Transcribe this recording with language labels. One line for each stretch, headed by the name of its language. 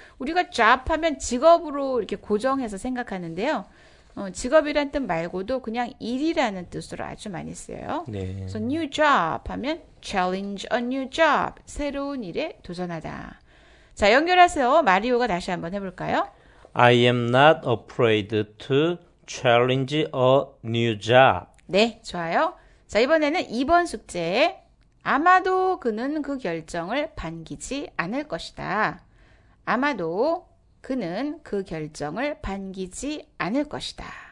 Korean: 우리가 job 하면 직업으로 이렇게 고정해서 생각하는데요. 직업이란 뜻 말고도 그냥 일이라는 뜻으로 아주 많이 쓰여요. 네.
English: So new job
Korean: 하면
English: challenge a new job.
Korean: 새로운 일에 도전하다. 자, 연결하세요. 마리오가 다시 한번 해볼까요?
English: I am not afraid to challenge a new job.
Korean: 네, 좋아요. 자, 이번에는 2번 숙제. 아마도 그는 그 결정을 반기지 않을 것이다. 아마도 그는 그 결정을 반기지 않을 것이다.